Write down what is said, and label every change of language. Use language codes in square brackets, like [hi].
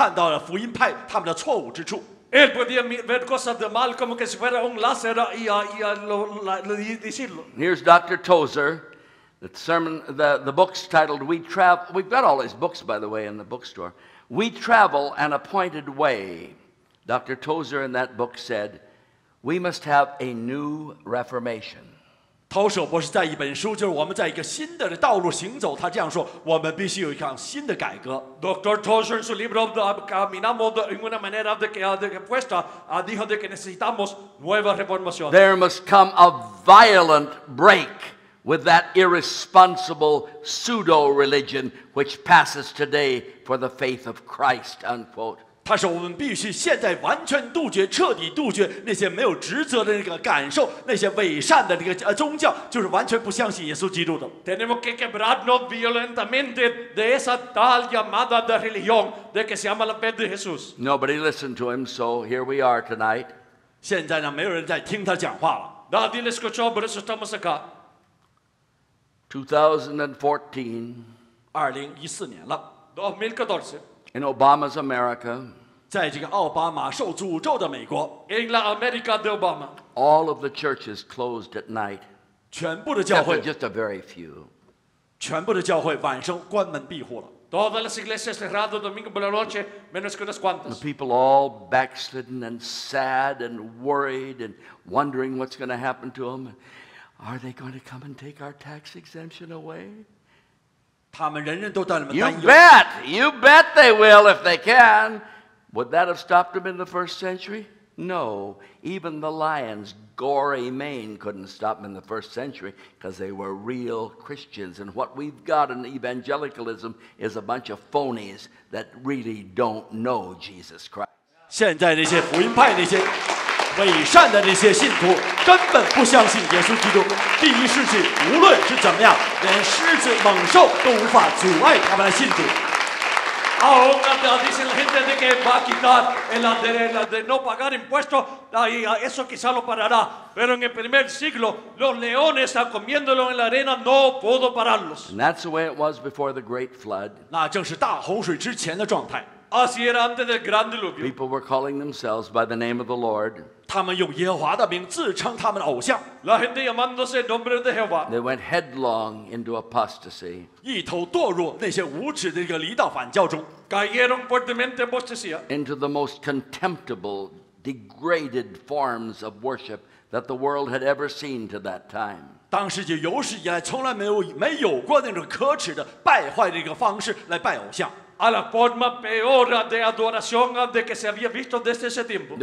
[zh] 要知道他的眼光非常敏锐，看到了福音派他们的错误之处。 [es] Él podía ver cosas de mal como que si fuera un láser y decirlo. [en] Here's Dr. Tozer, the sermon, the book's titled "We Travel." We've got all his books, by the way, in the bookstore. "We Travel an Appointed Way." Dr. Tozer in that book said, "We must have a new reformation." [zh] 陶舍博士在一本书，就是我们在一个新的道路行走。他这样说：我们必须有一项新的改革。 [en] Dr. [es] Tozer en su libro Caminamos de una manera de que respuesta dijo de que necesitamos nueva reformación. [en] There must come a violent break with that irresponsible pseudo-religion which passes today for the faith of Christ. Unquote. [zh] 他说我们必须现在完全杜绝，彻底杜绝那些没有职责的那个感受，那些伪善的那个宗教，就是完全不相信耶稣基督的。 [es] Tenemos que quebrarnos violentamente de esa tal llamada de religión de que se llama la fe de Jesús. [en] Nobody listened to him, so here we are tonight. [zh] 现在呢，没有人在听他讲话了。 [es] Nadie le escuchó, por eso estamos acá. [en] 2014. In Obama's America, [zh] 在这个奥巴马受诅咒的美国， [es] in La America de Obama, [en] all of the churches closed at night. [zh] 全部的教会， [en] just a very few. [zh] 全部的教会晚上关门闭户了。 [es] Todas las iglesias cerradas domingo por la noche, menos que unas cuantas. [en] The people all backslidden and sad and worried and wondering what's going to happen to them. Are they going to come and take our tax exemption away? You bet they will if they can. Would that have stopped them in the first century? No. Even the lions. Gory mane couldn't stop them in the first century because they were real Christians. And what we've got in evangelicalism is a bunch of phonies that really don't know Jesus Christ. [zh] 现在那些福音派那些伪善的那些信徒根本不相信耶稣基督。第一世纪无论是怎么样，连狮子猛兽都无法阻碍他们的信徒。 [es] Ahora te dicen la gente de que va a quitar el de no pagar impuestos, y eso quizá lo parará. Pero en el primer siglo, los leones comiéndolo en la arena no pudo pararlos. [en] And that's the way it was before the great flood. [zh] 那正是大洪水之前的状态。 [es] Así era antes del gran diluvio. [en] People were calling themselves by the name of the Lord. [zh] 他们用耶和华的名自称他们的偶像。 [es] La gente llamándose el nombre de Jehová. [en] They went headlong into apostasy. [zh] 一头堕入那些无耻的这个离道反教中。 [es] Cayeron fuertemente apostasía. [en] Into the most contemptible, degraded forms of worship that the world had ever seen to that time. [zh] 当世纪有史以来从来没有过那种可耻的败坏的一个方式来拜偶像。 [es] A la forma peor de adoración de que se había visto desde ese tiempo.